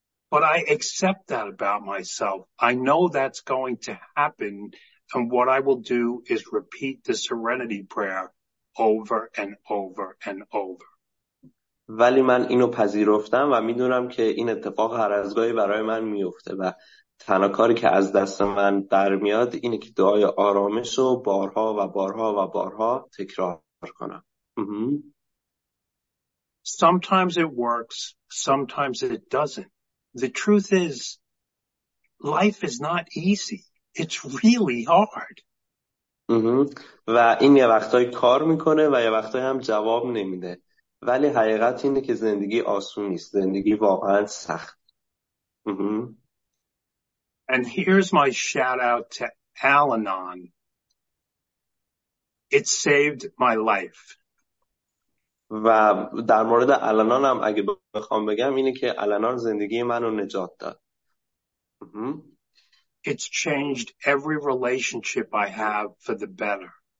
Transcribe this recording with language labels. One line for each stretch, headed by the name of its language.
English: But I accept that about myself. I know that's going to happen, and what I will do is repeat the serenity prayer over and over and over.
Persian: ولی من اینو پذیرفتم و میدونم که این اتفاق هر از گاهی برای من میفته و تنها کاری که از دست من برمیاد اینه که دعای آرامش رو بارها و بارها و بارها تکرار کنم.
English: Sometimes it works, sometimes it doesn't. The truth is, life is not easy. It's really hard.
Persian: و این یه وقتای کار میکنه و یه وقتای هم جواب نمیده. ولی حقیقت اینه که زندگی آسون نیست. زندگی واقعا سخت.
English: And here's my shout out to Al-Anon. It saved my life.
Persian: و در مورد Al-Anon هم اگه بخوام بگم اینه که Al-Anon زندگی منو نجات داد.
English: It's changed every relationship I have for the better.